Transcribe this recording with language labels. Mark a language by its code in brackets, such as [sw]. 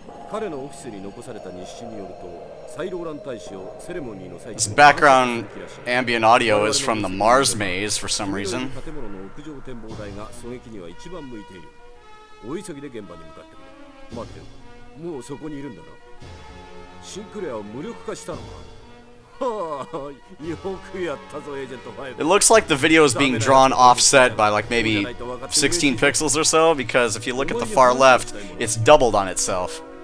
[ja] 彼のオフィスに残された日誌によると、サイローラン大使をセレモニーの際に。 [en] This background ambient audio is from the Mars Maze for some reason. [ja] 建物の屋上展望台が狙撃には一番向いている。お急ぎで現場に向かってくれ。待ってよ。もうそこにいるんだな。シンクレアを無力化したのか。 [en] It looks like the video is being drawn offset by like maybe 16 pixels or so, because if you look at the far left, it's doubled on itself.